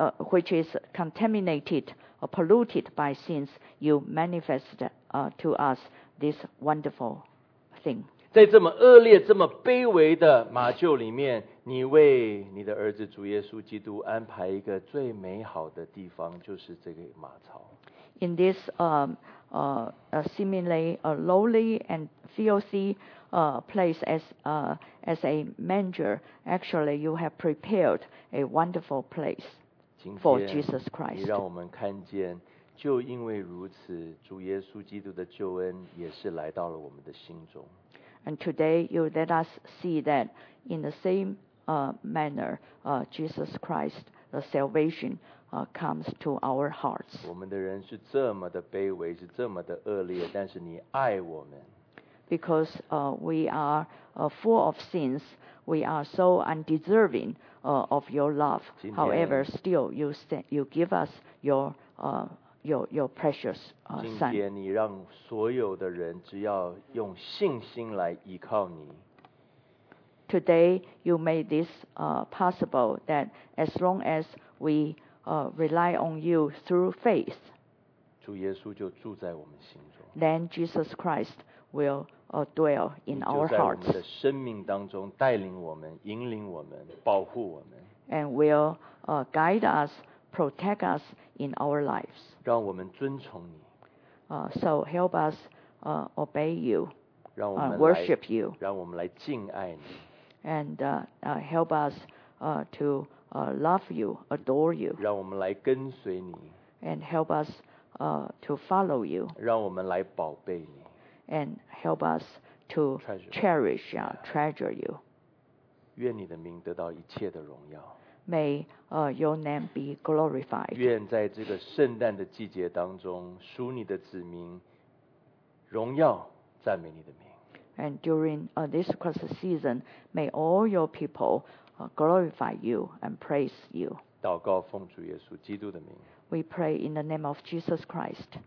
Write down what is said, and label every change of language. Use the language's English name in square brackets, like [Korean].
[English] which is contaminated or polluted by sins, you manifest to us this wonderful thing. [Chinese] 在这么恶劣、这么卑微的马厩里面，你为你的儿子主耶稣基督安排一个最美好的地方，就是这个马槽。 [English] In this seemingly a lowly and filthy place as a manger, actually you have prepared a wonderful place for Jesus Christ. [Chinese] 你让我们看见，就因为如此，主耶稣基督的救恩也是来到了我们的心中。 [English] And today you let us see that in the same manner, Jesus Christ, the salvation comes to our hearts. [Chinese] 我们的人是这么的卑微，是这么的恶劣，但是你爱我们。 [English] Because we are full of sins, we are so undeserving of your love. However, still you give us your precious son. [Chinese] 今天你让所有的人只要用信心来依靠你。 [English] Today you made this possible that as long as we rely on you through faith, [Chinese] 主耶稣就住在我们心中。 [English] Then Jesus Christ will dwell in our hearts. [Chinese] 你就在我们的生命当中带领我们、引领我们、保护我们。 [English] And will guide us. Protect us in our lives. [Chinese] 让我们遵从你。 [English] So help us obey you. [Chinese] 让我们来 [English] worship you. [Chinese] 让我们来敬爱你。 [English] And help us to love you, adore you. [Chinese] 让我们来跟随你。 [English] And help us to follow you. [Chinese] 让我们来宝贝你。 [English] And help us to cherish you, treasure you. [Chinese] 愿你的名得到一切的荣耀。 [English] May your name be glorified. [Chinese] 愿在这个圣诞的季节当中，属你的子民荣耀赞美你的名。 [English] And during this Christmas season, may all your people glorify you and praise you. [Chinese] 祷告奉主耶稣基督的名。 [English] We pray in the name of Jesus Christ.